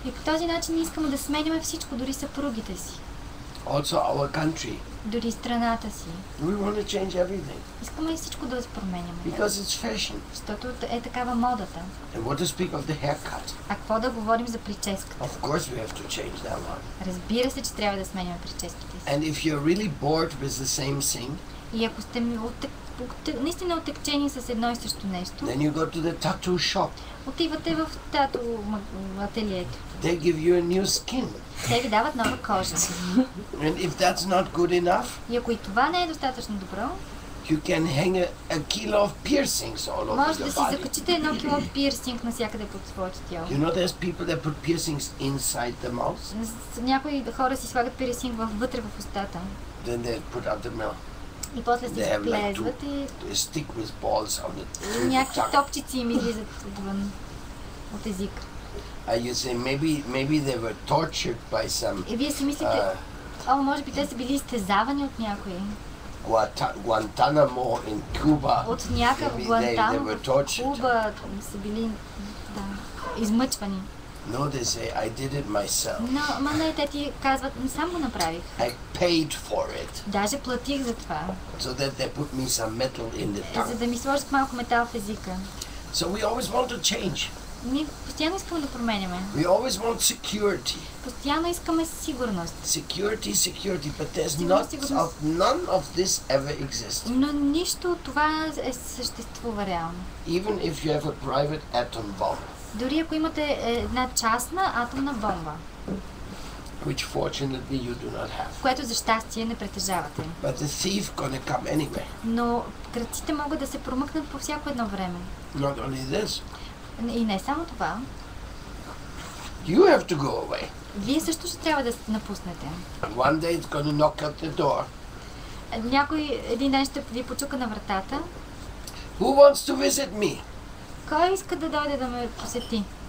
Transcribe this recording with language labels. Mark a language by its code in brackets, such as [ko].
[bg] И по този начин искаме да сменяме всичко, дори съпругите си. [en] Also our country. [bg] Дори страната си. [en] We want to change everything. [bg] Искаме и всичко да се променяме. [en] Because it's fashion. [bg] Защото е такава модата. [en] And what to speak of the haircut. [bg] А какво да говорим за прическата? [en] Of course we have to change that one. [bg] Разбира се, че трябва да сменяме прическите си. [en] And if you're really bored with the same thing. [bg] И ако сте наистина отекчени с едно и също нещо. [en] Then you go to the tattoo shop. [bg] Отивате в тату ателието. [en] They give you a new skin. [bg] Те ви дават нова кожа. [en] And if that's not good enough, [bg] и ако и това не е достатъчно добро, [en] you can hang a kilo of piercings all over your body. [bg] Може да си закачите едно кило пирсинг навсякъде под своето тяло. [en] You know there's people that put piercings inside the mouth? [bg] Някои хора си слагат пирсинг вътре в устата. [en] Then they put up the mouth. [bg] И после си сплезват и... [en] They stick with balls on the tongue. [bg] Някакви топчици им излизат отвън от език. [en] You say maybe they were tortured by some. [bg] И вие си мислите, може би те са били изтезавани от някои. [en] Guantanamo in Cuba. [bg] От някакъв Гуантанамо в Куба са били измъчвани. [en] No, they say I did it myself. [bg] Но, те ти казват, сам го направих. [en] I paid for it. [bg] Даже платих за това. [en] So that they put me some metal in the tongue. [bg] За да ми сложат малко метал в езика. [en] So we always want to change. [bg] Ние постоянно искаме да променяме. [en] We always want security. [bg] Постоянно искаме сигурност. [en] Security, but there's none of this ever exists. [bg] Но нищо от това съществува реално. [en] Even if you have a private atom bomb. [bg] Дори ако имате една частна атомна бомба. [en] Which fortunately you do not have. [bg] Което за щастие не притежавате. [en] But the thief gonna come anyway. [bg] Но крадците могат да се промъкнат по всяко едно време. [en] Not only this. [bg] И не само това. [en] You have to go away. [bg] Вие също ще трябва да се напуснете. [en] And one day it's gonna knock at the door. [bg] Някой един ден ще ви почука на вратата. [en] Who wants to visit me? [bg] Кой иска да дойде да ме посети?